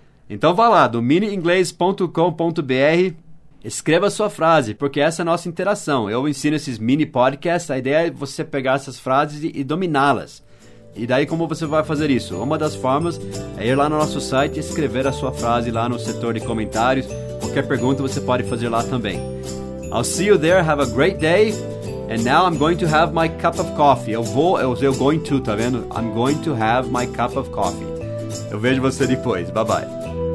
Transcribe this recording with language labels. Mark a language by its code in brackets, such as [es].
[pt] Então, vá lá, dominieingles.com.br, escreva sua frase, porque essa é a nossa interação. Eu ensino esses mini podcasts, a ideia é você pegar essas frases e dominá-las. E daí, como você vai fazer isso? Uma das formas é ir lá no nosso site e escrever a sua frase lá no setor de comentários. Qualquer pergunta você pode fazer lá também. [en] I'll see you there, have a great day. And now I'm going to have my cup of coffee. Eu going to, [pt] tá vendo? [en] I'm going to have my cup of coffee. [pt] Eu vejo você depois. [en] Bye-bye.